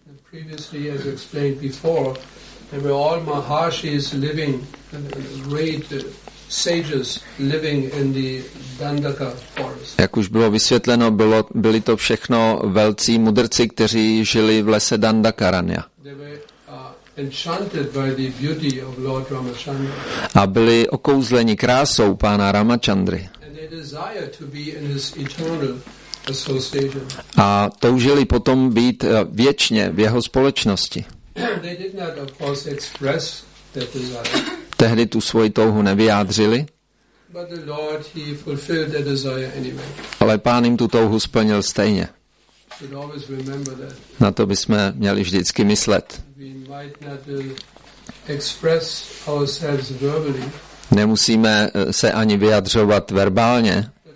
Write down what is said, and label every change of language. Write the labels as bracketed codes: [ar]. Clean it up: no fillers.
[en] Previously as explained before, there were all maharshis living, great sages living in the Dandaka forest. [cs] Jak už bylo vysvětleno, byli to všechno velcí mudrci, kteří žili v lese Dandakaranya. [en] They were enchanted by the beauty of Lord Ramachandra. [cs] A byli okouzleni krásou pána Ramachandry. [en] And they desired to be in his eternal association. [cs] A toužili potom být věčně v jeho společnosti. [en] They did not, of course, express that desire. [cs] Tehdy tu svoji touhu nevyjádřili. [en] But the Lord, he fulfilled their desire anyway. [cs] Ale Pán jim tu touhu splnil stejně. [en] Should always remember that. [cs] Na to bychom měli vždycky myslet. [en] We might not express ourselves verbally. [cs] Nemusíme se ani vyjadřovat verbálně.